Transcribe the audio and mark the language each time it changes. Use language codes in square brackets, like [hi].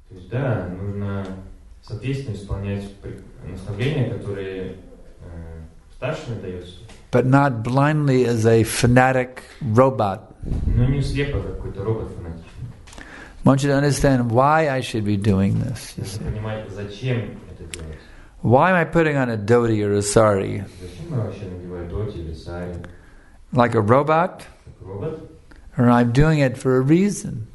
[ru] Да, нужно соответственно исполнять наставления, которые старшими даются. [en] But not blindly as a fanatic robot. [ru] Но не слепо, как какой-то робот-фанатик. [en] Want you to understand why I should be doing this. [ru] Нужно понимать, зачем это делать. [en] Why am I putting on a dhoti or a sari? [ru] Зачем я вообще надеваю dhoti или sari? [en] Like a robot? [ru] Как робот? [en] Or I'm doing it for a reason.